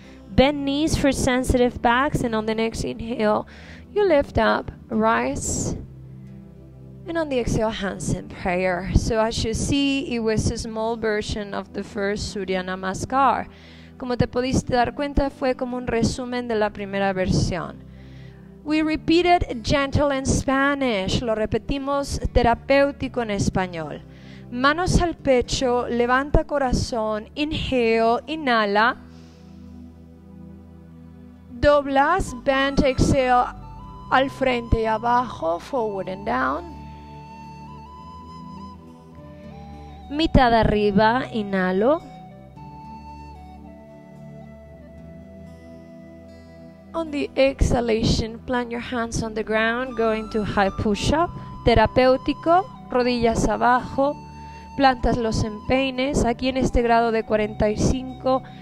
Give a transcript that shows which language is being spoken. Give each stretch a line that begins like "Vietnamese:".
English: Bend knees for sensitive backs, and on the next inhale, you lift up, rise. And on the exhale, hands in prayer. So as you see, it was a small version of the first Surya Namaskar.
Spanish: Como te pudiste dar cuenta, fue como un resumen de la primera versión.
English: We repeat it gentle in Spanish.
Spanish: Lo repetimos terapéutico en español. Manos al pecho, levanta corazón,
English: inhale,
Spanish: inhala. Doblas,
English: bend, exhale,
Spanish: al frente y abajo,
English: forward and down.
Spanish: Mitad arriba, inhalo.
English: On the exhalation, plant your hands on the ground, go into high push-up.
Spanish: Terapéutico, rodillas abajo, plantas los empeines, aquí en este grado de 45.